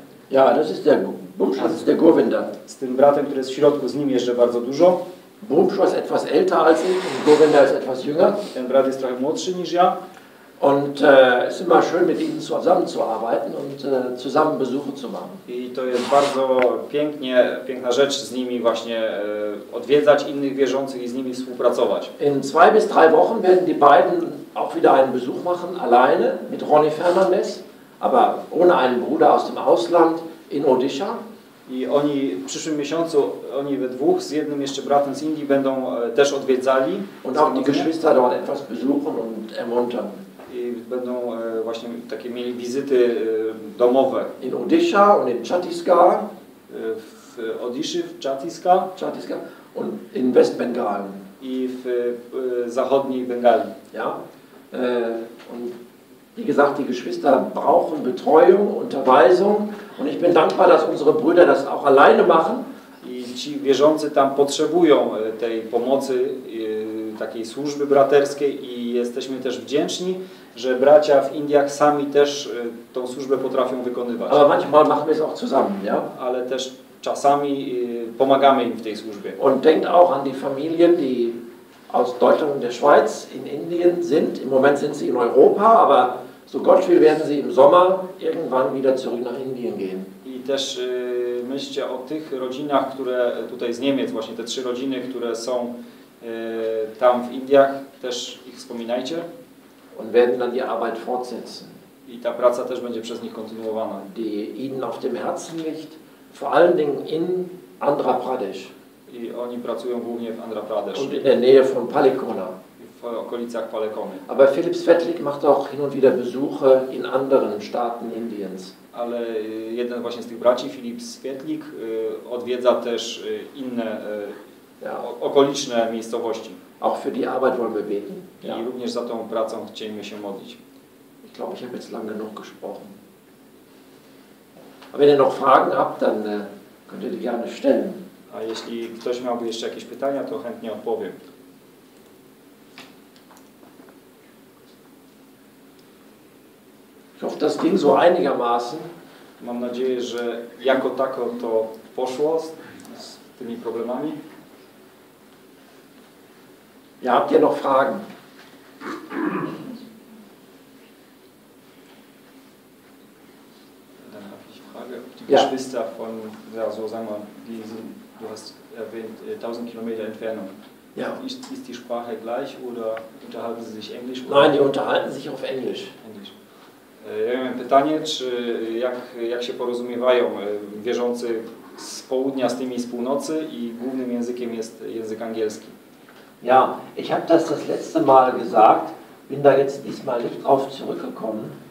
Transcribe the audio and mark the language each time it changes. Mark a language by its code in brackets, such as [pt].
[de] Ja, das ist der Bumsho, das ist der Govinda. [pl] Z tym bratem, który jest w środku, z nim jeżdżę bardzo dużo. [de] Bumsho ist etwas älter als ich, und Govinda ist etwas jünger. [pl] Ten brat jest trochę młodszy niż ja. [de] Und es ist immer schön, mit ihnen zusammenzuarbeiten und zusammen Besuche zu machen. [pl] I to jest bardzo pięknie, piękna rzecz z nimi właśnie odwiedzać innych wierzących i z nimi współpracować. [de] In 2 bis 3 Wochen werden die beiden auch wieder einen Besuch machen, alleine, mit Ronny Fernandez, aber ohne einen Bruder aus dem Ausland in Odisha. [pl] I oni w przyszłym miesiącu, oni we dwóch, z jednym jeszcze bratem z Indii, będą też odwiedzali. [de] Und auch die Geschwister dort etwas besuchen und ermuntern. [pl] I będą właśnie takie mieli wizyty domowe. [de] In Odisha und in Chhattisgarh. [pl] W Odiszy, w Chhattisgarh. [de] Chhattisgarh und in West Bengal. [pl] I w zachodniej Bengali. [de] Ja. Und wie gesagt, die Geschwister brauchen Betreuung, Unterweisung. Und ich bin dankbar, dass unsere Brüder das auch alleine machen. [pl] I ci wierzący tam potrzebują tej pomocy, takiej służby braterskiej i jesteśmy też wdzięczni, że bracia w Indiach sami też tą służbę potrafią wykonywać. [de] Ale manchmal machen wir es auch zusammen, ja? [pl] Ale też czasami pomagamy im w tej służbie. [de] Und denkt auch an die Familien, die aus Deutschland und der Schweiz in Indien sind. Im Moment sind sie in Europa, aber so Gott will, werden sie im Sommer irgendwann wieder zurück nach Indien gehen. [pl] I też myślcie o tych rodzinach, które tutaj z Niemiec, właśnie te 3 rodziny, które są tam w Indiach, też ich wspominajcie. [de] Und werden dann die Arbeit fortsetzen. [pl] I ta praca też będzie przez nich kontynuowana. [de] Die ihnen auf dem Herzen liegt, vor allen Dingen in Andhra Pradesh. [pl] I oni pracują głównie w Andhra Pradesh. [de] Und in der Nähe von Palikona. [pl] W okolicach Palekony. [de] Aber Philipp Svetlik macht auch hin und wieder Besuche in anderen Staaten Indiens. [pl] Ale jeden właśnie z tych braci, Philipp Svetlik, odwiedza też inne okoliczne miejscowości. [de] Auch für die Arbeit wollen wir beten. Ja. [pl] I również za tą pracą chcielibyśmy się modlić. [de] Ich glaube, ich habe jetzt lang genug gesprochen. Aber wenn ihr noch Fragen habt, dann könnt ihr die gerne stellen. [pl] A jeśli ktoś miałby jeszcze jakieś pytania, to chętnie odpowiem. [de] Ich hoffe, das ging so einigermaßen. [pl] Mam nadzieję, że jako tako to poszło z tymi problemami. [de] Ja, habt ihr noch Fragen? Dann habe ich Frage, ob die Geschwister von, ja, so sagen wir, die, du hast erwähnt, 1000 Kilometer Entfernung. Ja. Ist die Sprache gleich oder unterhalten sie sich Englisch? Nein, die unterhalten sich auf Englisch. Englisch. [pl] Ja miałem pytanie, czy jak się porozumiewają wierzący z południa z tymi z północy i głównym językiem jest język angielski. [de] Ja, ich habe das letzte Mal gesagt, bin da jetzt diesmal nicht drauf zurückgekommen.